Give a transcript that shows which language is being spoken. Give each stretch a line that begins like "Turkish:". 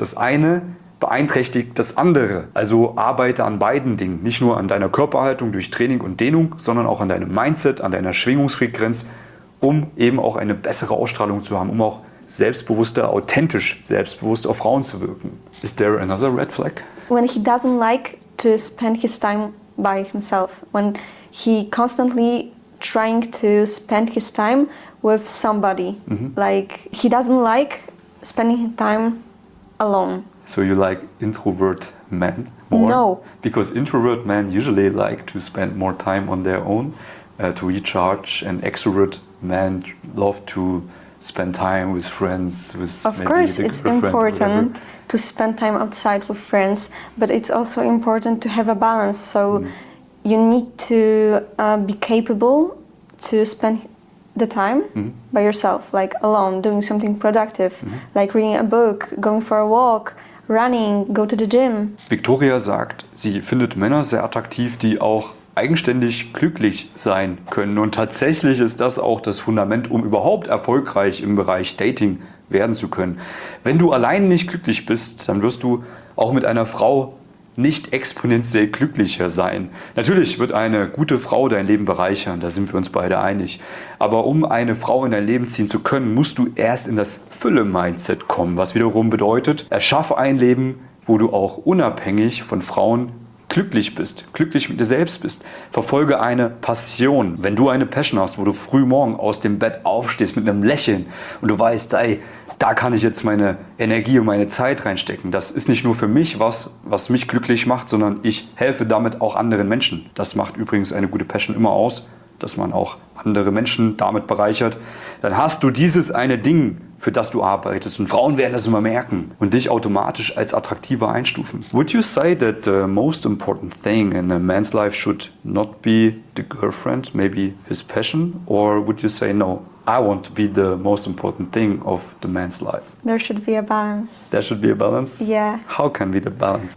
German: Das eine beeinträchtigt das andere. Also arbeite an beiden Dingen. Nicht nur an deiner Körperhaltung durch Training und Dehnung, sondern auch an deinem Mindset, an deiner Schwingungsfrequenz um eben auch eine bessere Ausstrahlung zu haben, um auch selbstbewusster, authentisch selbstbewusst auf Frauen zu wirken.
English: Is there another red flag? When he doesn't like to spend his time by himself, when he constantly trying to spend his time with somebody, like he doesn't like spending time alone. So you like introvert men more? No. Because introvert men usually like to spend more time on their own to recharge, and extrovert men love to spend time with friends. Of course, it's important to spend time outside with friends, but it's also important to have a balance. So you need to be capable to spend the time by yourself, like alone, doing something productive, like reading a book, going for a walk, running, go to the gym.
German: Victoria sagt, sie findet Männer sehr attraktiv, die auch eigenständig glücklich sein können. Und tatsächlich ist das auch das Fundament, um überhaupt erfolgreich im Bereich Dating werden zu können. Wenn du allein nicht glücklich bist, dann wirst du auch mit einer Frau nicht exponentiell glücklicher sein. Natürlich wird eine gute Frau dein Leben bereichern, da sind wir uns beide einig. Aber um eine Frau in dein Leben ziehen zu können, musst du erst in das Fülle-Mindset kommen, was wiederum bedeutet, erschaffe ein Leben, wo du auch unabhängig von Frauen glücklich bist, glücklich mit dir selbst bist. Verfolge eine Passion. Wenn du eine Passion hast, wo du früh morgen aus dem Bett aufstehst mit einem Lächeln und du weißt, ey, da kann ich jetzt meine Energie und meine Zeit reinstecken. Das ist nicht nur für mich was mich glücklich macht, sondern ich helfe damit auch anderen Menschen. Das macht übrigens eine gute Passion immer aus, dass man auch andere Menschen damit bereichert. Dann hast du dieses eine Ding, für das du arbeitest. Und Frauen werden das immer merken und dich automatisch als attraktiver einstufen.
English: Would you say that the most important thing in a man's life should not be the girlfriend, maybe his passion? Or would you say no? I want to be the most important thing of the man's life. There should be a balance. There should be a balance? Yeah. How can be the balance?